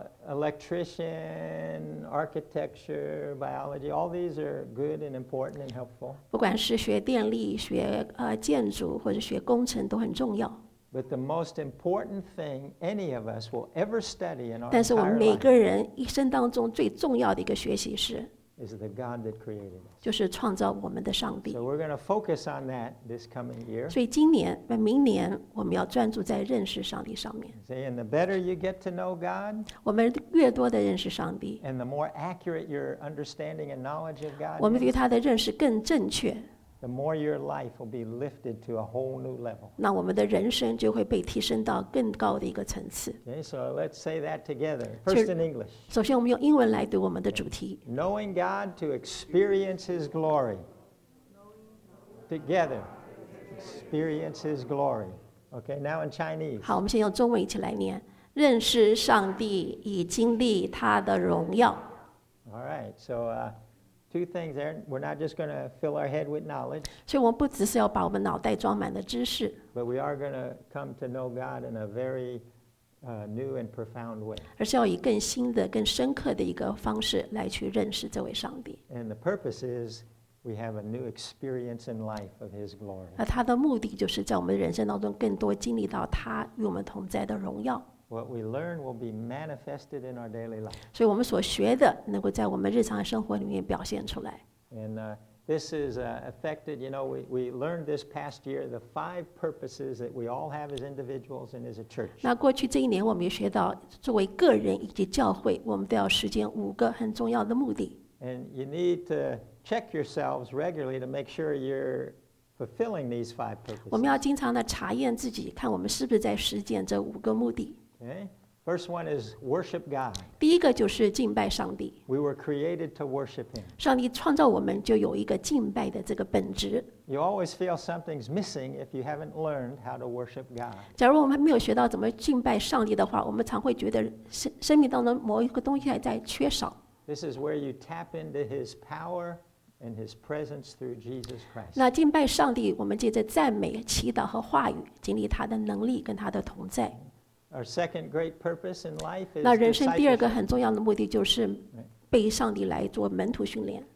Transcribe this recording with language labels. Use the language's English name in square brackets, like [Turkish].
[English] Electrician, architecture, biology, all these are good and important and helpful. [Chinese] 不管是学电力、学建筑或者学工程都很重要。 [English] But the most important thing any of us will ever study in our life. [Chinese] 但是我们每个人一生当中最重要的一个学习是。 [English] Is the God that created us. [Chinese] 就是创造我们的上帝。 [English] So we're going to focus on that this coming year. [Chinese] 所以今年、明年我们要专注在认识上帝上面。 [English] And the better you get to know God, [Chinese] 我们越多的认识上帝。 [English] And the more accurate your understanding and knowledge of God, [Chinese] 我们对他的认识更正确。 [English] The more your life will be lifted to a whole new level. [Chinese] 那我们的人生就会被提升到更高的一个层次。 [English] Okay, so let's say that together. First in English. [Chinese] 首先我们用英文来读我们的主题。 [English] Knowing God to experience His glory. Together, experience His glory. Okay, now in Chinese. [Chinese] 好，我们先用中文一起来念。认识上帝，以经历他的荣耀。 [English] All right, so. Two things there. We're not just going to fill our head with knowledge. [Chinese] 所以我们不只是要把我们脑袋装满了知识。 [English] But we are going to come to know God in a very new and profound way. [Chinese] 而是要以更新的、更深刻的一个方式来去认识这位上帝。 [English] And the purpose is we have a new experience in life of His glory. [Chinese] 那他的目的就是在我们人生当中更多经历到他与我们同在的荣耀。 [English] What we learn will be manifested in our daily life. [Chinese] 所以我们所学的能够在我们日常生活里面表现出来。 [English] And this is affected, you know, we learned this past year the five purposes that we all have as individuals and as a church. [Chinese] 那过去这一年我们也学到作为个人以及教会我们都要实践五个很重要的目的。 [English] And you need to check yourselves regularly to make sure you're fulfilling these five purposes. [Chinese] 我们要经常的查验自己看我们是不是在实践这五个目的。 [English] Okay. First one is worship God. [Chinese] 第一个就是敬拜上帝。 [English] We were created to worship Him. [Chinese] 上帝创造我们就有一个敬拜的这个本质。 [English] You always feel something's missing if you haven't learned how to worship God. [Chinese] 假如我们没有学到怎么敬拜上帝的话，我们常会觉得生命当中某一个东西还在缺少。 [English] This is where you tap into His power and His presence through Jesus Christ. [Chinese] 那敬拜上帝，我们借着赞美、祈祷和话语，经历他的能力跟他的同在。 [English] Our second great purpose in life is [Chinese] 那人生第二个很重要的目的就是被上帝来做门徒训练。